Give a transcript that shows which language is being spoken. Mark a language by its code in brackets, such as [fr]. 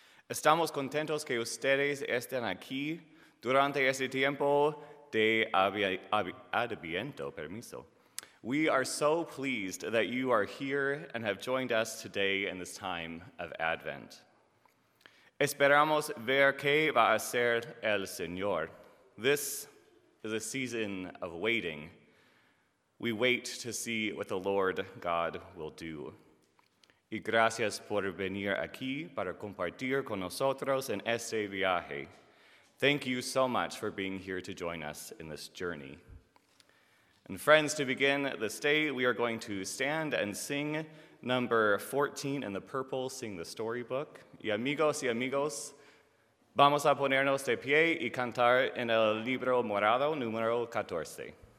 [es] Estamos contentos que ustedes estén aquí durante este tiempo de Adviento. Permiso. [en] We are so pleased that you are here and have joined us today in this time of Advent. [es] Esperamos ver qué va a hacer el Señor. [en] This is a season of waiting. We wait to see what the Lord God will do. [es] Y gracias por venir aquí para compartir con nosotros en este viaje. [en] Thank you so much for being here to join us in this journey. And friends, to begin this day, we are going to stand and sing number 14 in the purple, sing the storybook. [es] Y amigos y amigos, vamos a ponernos de pie y cantar en el libro morado número 14.